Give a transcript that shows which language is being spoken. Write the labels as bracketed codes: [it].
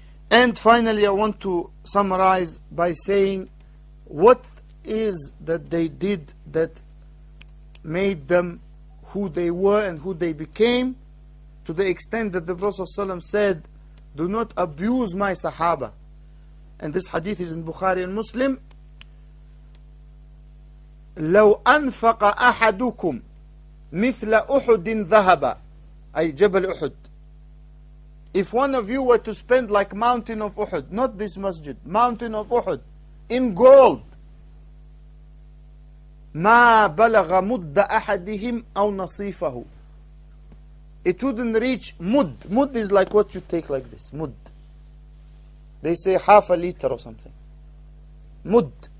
[en] And finally, I want to summarize by saying, what is that they did that made them who they were and who they became, to the extent that the Prophet ﷺ said, do not abuse my Sahaba. And this hadith is in Bukhari and Muslim. [ar] لو أنفق أحدكم مثل أحد ذهب, أي جبل أحد. [en] If one of you were to spend like mountain of Uhud, not this masjid, mountain of Uhud, in gold, [ar] ما بلغ مد أحدهم أو نصيفه, [en] it wouldn't reach mud. Mud is like what you take like this, mud. They say half a liter or something. Mud.